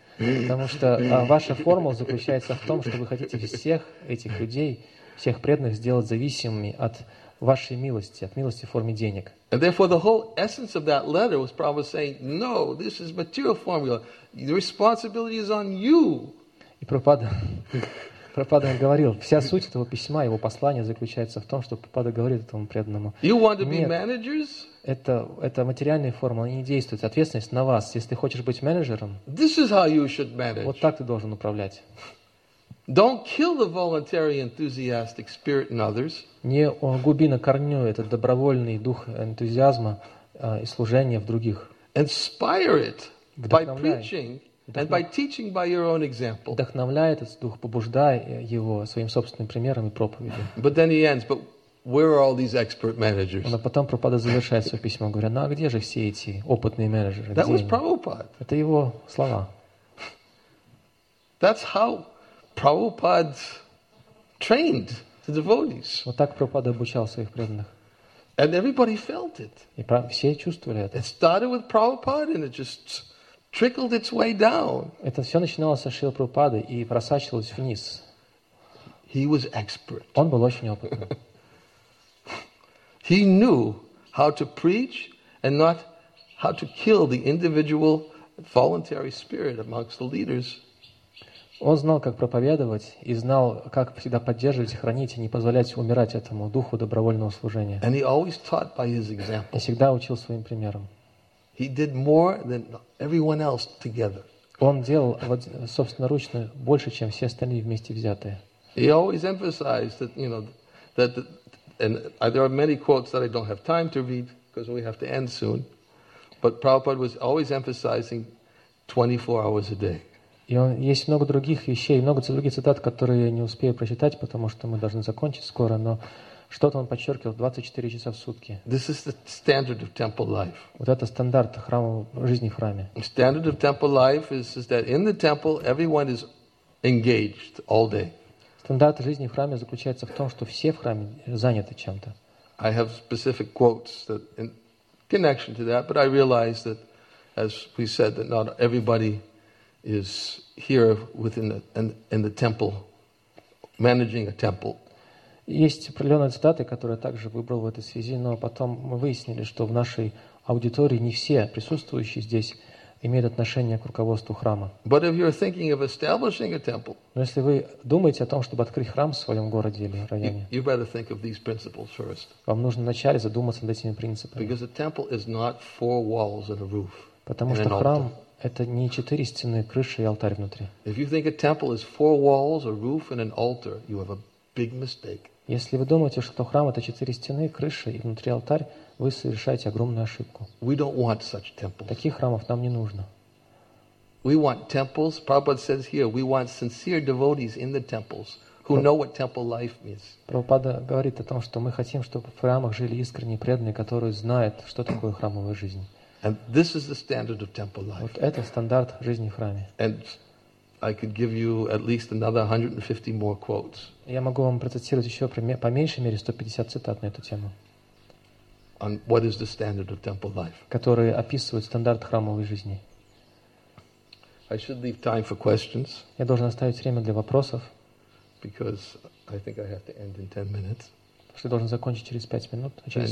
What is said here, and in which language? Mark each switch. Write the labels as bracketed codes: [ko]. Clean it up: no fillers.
[ru] Потому что ваша формула заключается в том, что вы хотите всех этих людей, всех преданных сделать зависимыми от вашей милости, от милости в форме денег. [en] And therefore the whole essence of that letter was Prabhupada saying, no, this is material formula. The responsibility is on you. [ru] И Прабхупада говорил, вся суть этого письма, его послания заключается в том, что Прабхупада говорит этому преданному. [en] You want to be managers? [ru] Это материальная формула, они не действуют. Ответственность на вас. Если ты хочешь быть менеджером, [en] this is how you should manage. [ru] Вот так ты должен управлять. [en] Don't kill the voluntary enthusiastic spirit in others. [ru] Не губи на корню этот добровольный дух энтузиазма и служения в других. [en] Inspire it by preaching. And by teaching by your own example. [ru] Вдохновляет этот дух, побуждая его своим собственным примером и проповедью. [en] But then he ends. But where are all these expert managers? [ru] Но потом Прабхупада завершает свое письмо, говоря: «Ну а где же все эти опытные менеджеры?» [en] That was Prabhupada. [ru] Это его слова. [en] That's how Prabhupada trained the devotees. [ru] Вот так Прабхупада обучал своих преданных. [en] And everybody felt it. [ru] И все чувствовали это. [en] It started with Prabhupada, and it just trickled its way down. [ru] Это все начиналось со Шрилы Прабхупады и просачивалось вниз. [en] He was expert. [ru] Он был очень опытным. [en] He knew how to preach and not how to kill the individual voluntary spirit amongst the leaders. [ru] Он знал, как проповедовать, и знал, как всегда поддерживать, хранить и не позволять умирать этому духу добровольного служения. [en] And he always taught by his example. [ru] И всегда учил своим примером. [en] He did more than everyone else together. [ru] Он делал собственноручно больше, чем все остальные вместе взятые. [en] He always emphasized that, you know, that and there are many quotes that I don't have time to read because we have to end soon. But Prabhupada was always emphasizing 24 hours a day. [ru] И он есть много других вещей, много других цитат, которые я не успею прочитать, потому что мы должны закончить скоро, но Что-то он подчеркивал 24 часа в сутки. [en] This is the standard of temple life. [ru] Вот это стандарт жизни в храме. [en] Standard of temple life is that in the temple everyone is engaged all day. [ru] Стандарт жизни в храме заключается в том, что все в храме заняты чем-то. [en] I have specific quotes that in connection to that, but I realize that, as we said, that not everybody is here within in the temple, managing a temple. [ru] Есть определенные цитаты, которые я также выбрал в этой связи, но потом мы выяснили, что в нашей аудитории не все присутствующие здесь имеют отношение к руководству храма. [en] But if you're thinking of establishing a temple, [ru] но если вы думаете о том, чтобы открыть храм в своем городе или районе, [en] you better think of these principles first. [ru] Вам нужно вначале задуматься над этими принципами. [en] Because a temple is not four walls and a roof. [ru] Потому что храм – это не четыре стены, крыша и алтарь внутри. [en] If you think a temple is four walls, a roof and an altar, you have a big mistake. [ru] Если вы думаете, что храм это четыре стены, крыша и внутри алтарь, вы совершаете огромную ошибку. [en] We don't want such temples. [ru] Таких храмов нам не нужно. [en] We want temples. Prabhupada says here, we want sincere devotees in the temples who know what temple life means. [ru] Прабхупада говорит о том, что мы хотим, чтобы в храмах жили искренние преданные, которые знают, что такое храмовая жизнь. [en] And this is the standard of temple life. [ru] Вот это стандарт жизни в храме. [en] And I could give you at least another 150 more quotes. [ru] Я могу вам процитировать еще по меньшей мере 150 цитат на эту тему. [en] On what is the standard of temple life? [ru] Которые описывают стандарт храмовой жизни. [en] I should leave time for questions. [ru] Я должен оставить время для вопросов. [en] Because I think I have to end in 10 minutes. [ru] Потому что я должен закончить через 5 минут, а через